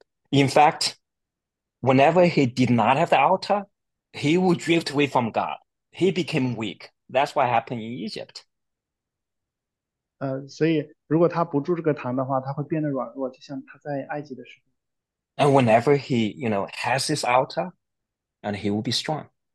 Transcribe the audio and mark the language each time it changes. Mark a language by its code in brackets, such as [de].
[en] In fact, whenever he did not have the altar, he would drift away from God. He became weak. That's what happened in Egypt. [zh] 所以如果他不住这个堂的话，他会变得软弱，就像他在埃及的时候。 [en] And whenever he, has his altar, and he will be strong.